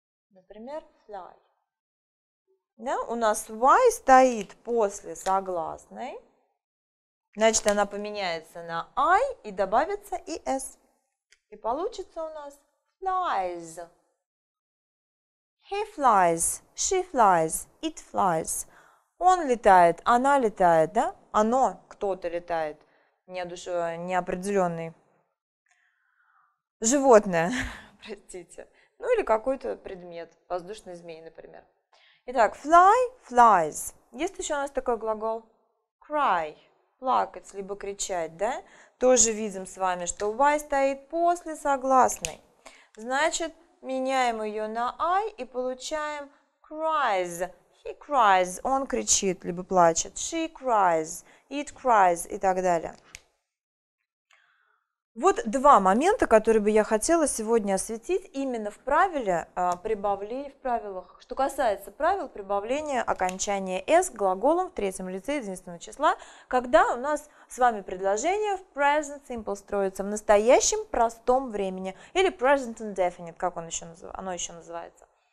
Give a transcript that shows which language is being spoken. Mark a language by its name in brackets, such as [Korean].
[Russian] Например, fly. Да, у нас y стоит после согласной, значит, она поменяется на i и добавится и s. И получится у нас flies. [English] He flies, she flies, it flies. [Russian] Он летает, она летает, да? Оно, кто-то летает, неопределенный животное, простите. Ну, или какой-то предмет, воздушный змей, например. Итак, fly, flies. Есть еще у нас такой глагол cry, плакать, либо кричать, да? Тоже видим с вами, что y стоит после согласной. Значит, меняем ее на i и получаем cries. [English] He cries, [Russian] он кричит, либо плачет. [English] She cries, it cries [Russian] и так далее. Вот два момента, которые бы я хотела сегодня осветить именно в правиле прибавления, в правилах, что касается правил прибавления окончания s к глаголам в третьем лице единственного числа, когда у нас с вами предложение в present simple строится в настоящем простом времени или present indefinite, как он еще оно еще называется.